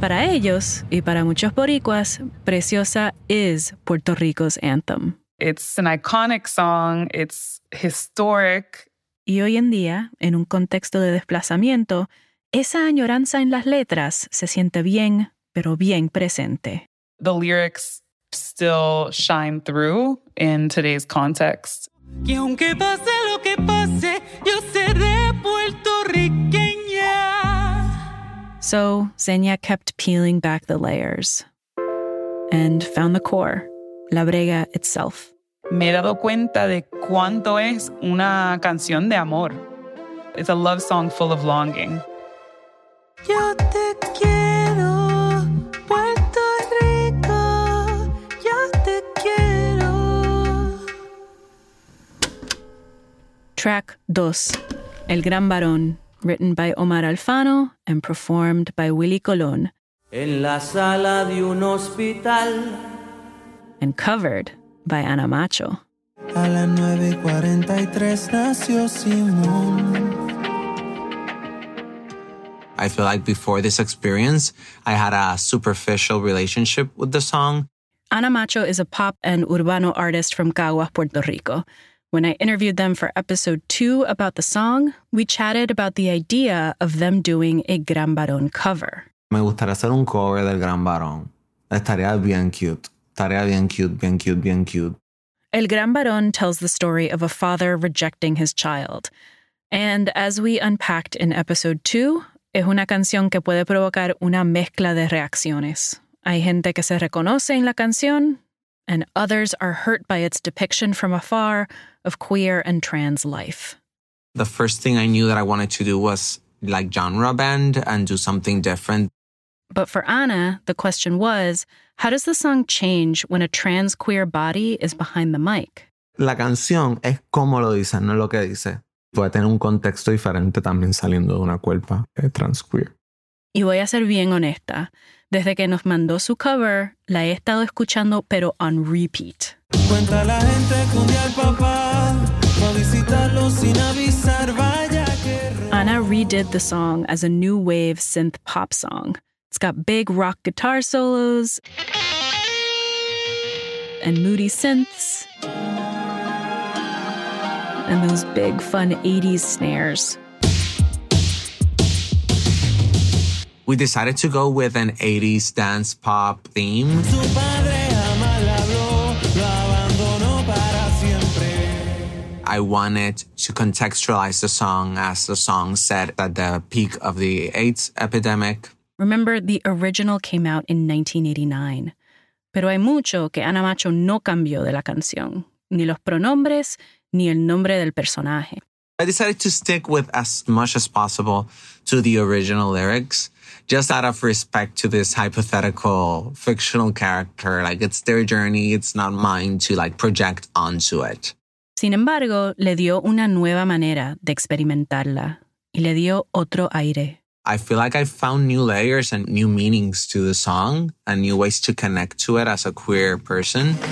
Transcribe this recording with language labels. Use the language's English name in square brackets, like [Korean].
[Spanish] Para ellos, y para muchos boricuas, Preciosa [English] is Puerto Rico's anthem. It's an iconic song, it's historic. [Spanish] Y hoy en día, en un contexto de desplazamiento, esa añoranza en las letras se siente bien, pero bien presente. [English] The lyrics still shine through in today's context. [Spanish] Y aunque pase lo que pase, yo seré puertorriqueña. [English] So, Zenia kept peeling back the layers and found the core, [Spanish] la brega [English] itself. [Spanish] Me he dado cuenta de cuánto es una canción de amor. [English] It's a love song full of longing. [Spanish] Yo te quiero, Puerto Rico. Yo te quiero. [English] Track 2, El Gran Barón, written by Omar Alfano and performed by Willy Colón. [Spanish] En la sala de un hospital. [English] And covered by Ana Macho. [Spanish] A las 9:43 nació Simón. [English] I feel like before this experience, I had a superficial relationship with the song. Ana Macho is a pop and urbano artist from Caguas, Puerto Rico. When I interviewed them for episode 2 about the song, we chatted about the idea of them doing a Gran Barón cover. [Spanish] Me gustaría hacer un cover del Gran Barón. Estaría bien cute. Estaría bien cute, bien cute, bien cute. [English] El Gran Barón tells the story of a father rejecting his child. And as we unpacked in episode 2, [Spanish] es una canción que puede provocar una mezcla de reacciones. Hay gente que se reconoce en la canción, [English] and others are hurt by its depiction from afar of queer and trans life. The first thing I knew that I wanted to do was like genre bend and do something different. But for Ana, the question was, how does the song change when a trans queer body is behind the mic? [Spanish] La canción es como lo dice, no lo que dice. Puede tener un contexto diferente también saliendo de una cuerpa trans queer. Y voy a ser bien honesta. Desde que nos mandó su cover, la he estado escuchando, pero [English] on repeat. [Spanish] Cuenta la gente con día al papá, pa visitarlo sin avisar, vaya que... [English] Ana redid the song as a new wave synth pop song. It's got big rock guitar solos and moody synths and those big fun 80s snares. We decided to go with an 80s dance pop theme. [Spanish] Su padre jamás habló, lo abandonó para siempre. [English] I wanted to contextualize the song as the song said at the peak of the AIDS epidemic. Remember, the original came out in 1989. [Spanish] Pero hay mucho que Ana Macho no cambió de la canción. Ni los pronombres, ni el nombre del personaje. [English] I decided to stick with as much as possible to the original lyrics, just out of respect to this hypothetical, fictional character. Like, it's their journey, it's not mine to, like, project onto it. [Spanish] Sin embargo, le dio una nueva manera de experimentarla. Y le dio otro aire. [English] I feel like I found new layers and new meanings to the song and new ways to connect to it as a queer person.